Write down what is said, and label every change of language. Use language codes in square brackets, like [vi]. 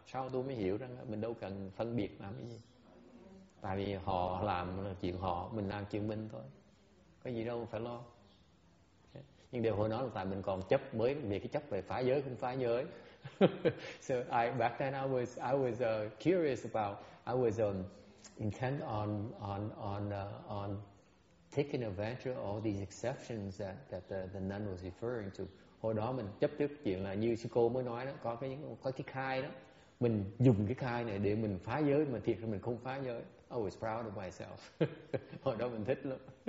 [vi] Sao tôi mới hiểu rằng mình đâu cần phân biệt làm cái gì? Tại vì họ làm chuyện họ, mình làm chuyện mình thôi. Có gì đâu phải lo. Nhưng điều hồi đó là tại mình còn chấp mới về cái chấp về phá giới không phá giới. [en] So I back then I was curious about I was intent on taking advantage of all these exceptions that the nun was referring to. [vi] Hồi đó mình chấp trước chuyện là như sư cô mới nói đó, có cái khai đó, mình dùng cái khai này để mình phá giới mà thiệt là mình không phá giới. [en] I was proud of myself. [vi] Hồi đó mình thích lắm.